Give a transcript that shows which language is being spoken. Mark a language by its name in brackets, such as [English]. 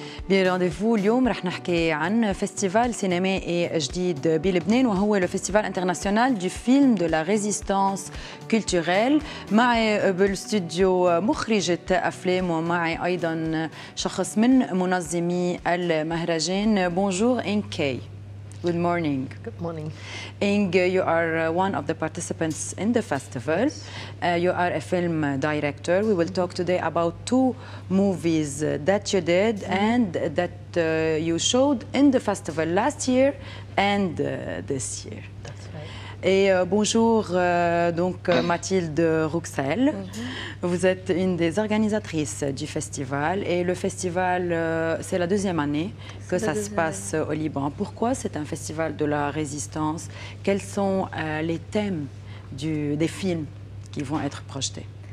[Arabic] للرانديفو اليوم رح نحكي عن فيستيفال سينمائي جديد بلبنان وهو الفيستيفال انترناسيونال دو فيلم دو لا ريزيستانس كولتوريل. معي بالستوديو مخرجة افلام ومعي ايضا شخص من منظمي المهرجان. [English] بونجور انكي. Good morning. Good morning. Ing, you are one of the participants in the festival. You are a film director. We will talk today about two movies that you did and that you showed in the festival last year and this year. [French] Et bonjour donc Mathilde Rouxel. Mm-hmm. Vous êtes une des organisatrices du festival et le festival c'est la deuxième année que ça se passe au Liban. Pourquoi c'est un festival de la résistance? Quels sont les thèmes des films qui vont être projetés?